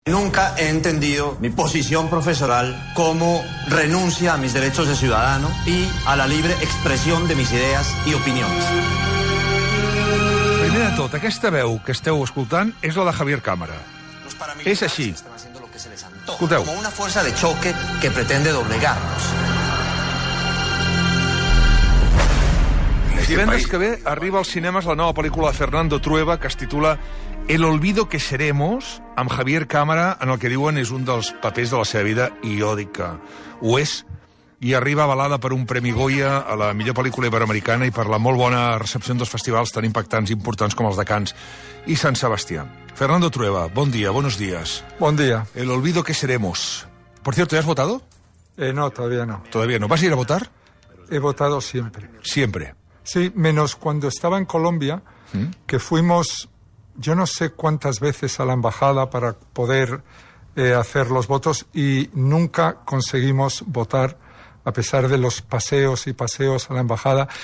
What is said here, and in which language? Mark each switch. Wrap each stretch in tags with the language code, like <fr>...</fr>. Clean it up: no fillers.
<es>Nunca he entendido mi posición profesoral como renuncia a mis derechos de ciudadano y a la libre expresión de mis ideas y opiniones.</es> <ca>Primer de tot, aquesta veu que esteu escoltant és la de Javier Cámara. És així. Escolteu.</ca> <es>Como una fuerza de choque que pretende doblegarnos.</es> <ca>Divendres que ve arriba als cinemes la nova pel·lícula de Fernando Trueba que es titula El olvido que seremos, amb Javier Cámara, en el que diuen és un dels papers de la seva vida, i jo dic que ho és, i arriba avalada per un Premi Goya a la millor pel·lícula iberoamericana i per la molt bona recepció dels festivals tan impactants i importants com els de Cannes i Sant Sebastià. Fernando Trueba, bon dia,</ca> <es>buenos días.</es> <ca>Bon dia.</ca> <es>El olvido que seremos. Por cierto, ¿ya has votado? No, todavía no. Todavía no. ¿Vas a ir a votar? He votado siempre. Siempre. Sí, menos cuando estaba en Colombia, que fuimos, yo no sé cuántas veces a la embajada para poder hacer los votos y nunca conseguimos votar a pesar de los paseos y paseos a la embajada.</es>